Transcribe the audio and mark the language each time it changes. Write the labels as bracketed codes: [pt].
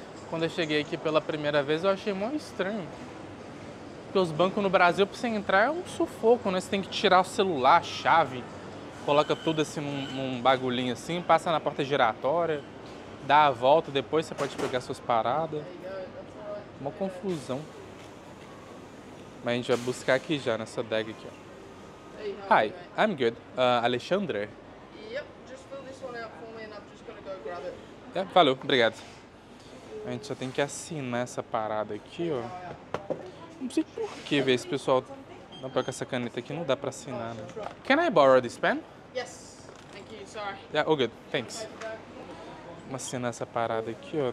[pt] Quando eu cheguei aqui pela primeira vez, eu achei muito estranho. Porque os bancos no Brasil, pra você entrar, é um sufoco, né? Você tem que tirar o celular, a chave, coloca tudo assim num bagulhinho assim, passa na porta giratória, dá a volta, depois você pode pegar suas paradas. Uma confusão. Mas a gente vai buscar aqui já, nessa bag aqui, ó. [en] Hey, hi, I'm good. Alexandre? Yep, just fill this one out for me and I'm just gonna go grab it. [pt] Yeah, valeu, obrigado. A gente só tem que assinar essa parada aqui, ó. Não sei por que ver esse pessoal. Não, pega essa caneta aqui, não dá pra assinar, né? [en] Can I borrow this pen? Yes, thank you, sorry. Yeah, oh good, thanks. [pt] Vamos assinar essa parada aqui, ó.